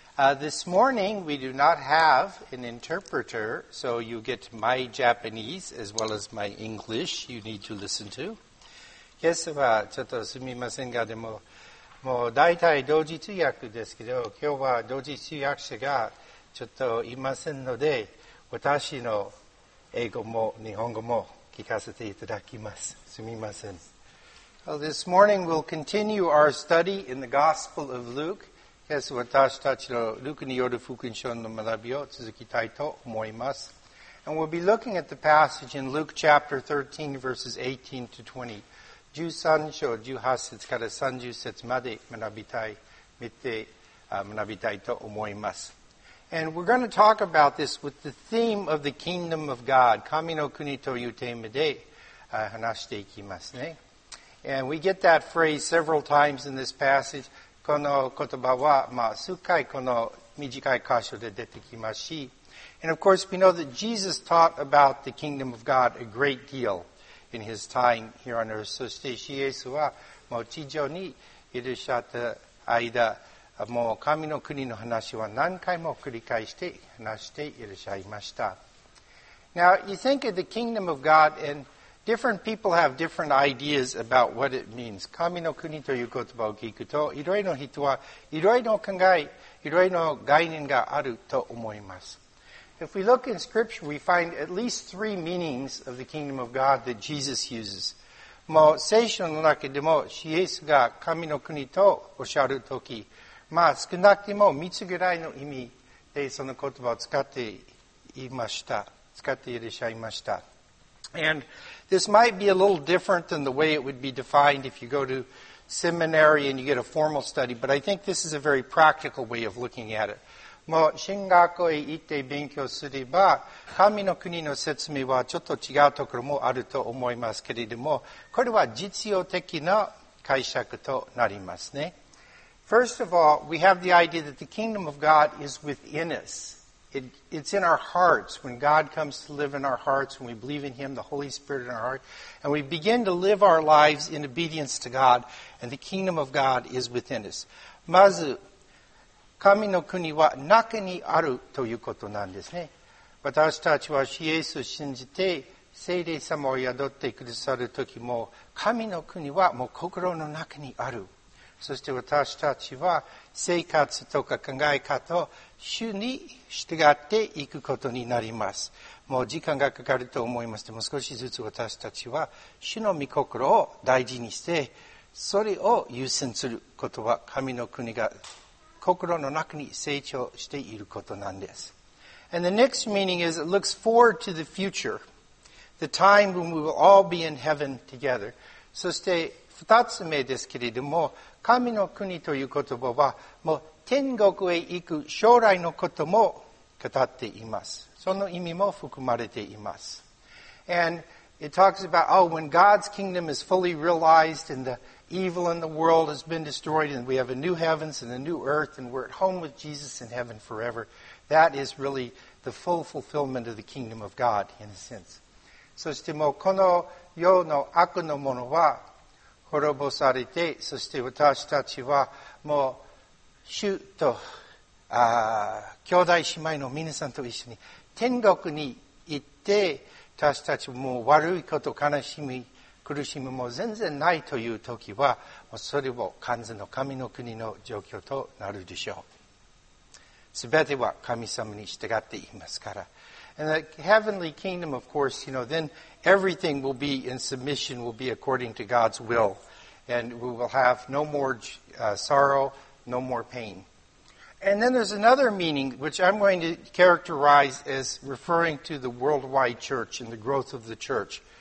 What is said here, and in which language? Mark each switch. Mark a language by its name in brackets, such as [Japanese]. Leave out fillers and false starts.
[English] This morning we do not have an interpreter, so you get my Japanese as well as my English you need to listen to. [Japanese] 今朝はちょっとすみませんがでも、もう大体同時通訳ですけど、今日は同時通訳者がちょっといませんので、私の英語も日本語も聞かせていただきます。すみません。 [English] Well, this morning we'll continue our study in the Gospel of Luke. [Japanese] 今朝私たちのルクによる福音書の学びを続きたいと思います。 [English] And we'll be looking at the passage in Luke chapter 13, verses 18 to 20. [Japanese] 13章18節から30節まで学びたいと思います。 [English] And we're going to talk about this with the theme of the kingdom of God, [Japanese] 神の国というテーマで話していきますね。 [English] And we get that phrase several times in this passage. [Japanese] この言葉は、まあ、数回この短い箇所で出てきますし。 [English] And of course, we know that Jesus taught about the kingdom of God a great deal. In his time here on earth. [Japanese] そして、イエスは、もう地上にいらっしゃった間、もう神の国の話は何回も繰り返して話していらっしゃいました。 [English] Now, you think of the kingdom of God, and different people have different ideas about what it means. [Japanese] 神の国という言葉を聞くと、いろいろの人は、いろいろの考え、いろいろの概念があると思います。 [English] If we look in Scripture, we find at least three meanings of the kingdom of God that Jesus uses. [Japanese] もう聖書の中でも、イエスが神の国とおっしゃるとき、まあ少なくても三つぐらいの意味でその言葉を使っていらっしゃいました。 [English] And this might be a little different than the way it would be defined if you go to seminary and you get a formal study, but I think this is a very practical way of looking at it. [Japanese] もう神学校へ行って勉強すれば神の国の説明はちょっと違うところもあると思いますけれどもこれは実用的な解釈となりますね。 [English] First of all, we have the idea that the kingdom of God is within us. It's in our hearts. When God comes to live in our hearts, when we believe in Him, the Holy Spirit in our heart, and we begin to live our lives in obedience to God, and the kingdom of God is within us. [Japanese] まず神の国は中にあるということなんですね。私たちはイエスを信じて聖霊様を宿ってくださるときも神の国はもう心の中にある。そして私たちは生活とか考え方を主に従っていくことになります。もう時間がかかると思いますでも少しずつ私たちは主の御心を大事にしてそれを優先することは神の国が心の中に成長していることなんです。 [English] And the next meaning is it looks forward to the future, the time when we will all be in heaven together. [Japanese] そして二つ目ですけれども、神の国という言葉は、もう天国へ行く将来のことも語っています。その意味も含まれています。 [English] And it talks about, oh, when God's kingdom is fully realized in theEvil in the world has been destroyed and we have a new heavens and a new earth and we're at home with Jesus in heaven forever. That is really the full fulfillment of the kingdom of God in a sense. [Japanese] そしてもうこの世の悪のものは滅ぼされて、そして私たちはもう主と兄弟姉妹の皆さんと一緒に天国に行って、私たちも悪いこと悲しみ、苦しみも全然ないという時は、それも完全の神の国の状況となるでしょう。すべては神様に従っていますから。 [English] And the heavenly kingdom, of course, you know, then everything will be in submission, will be according to God's will. And we will have no more sorrow, no more pain. And then there's another meaning, which I'm going to characterize as referring to the worldwide church and the growth of the church.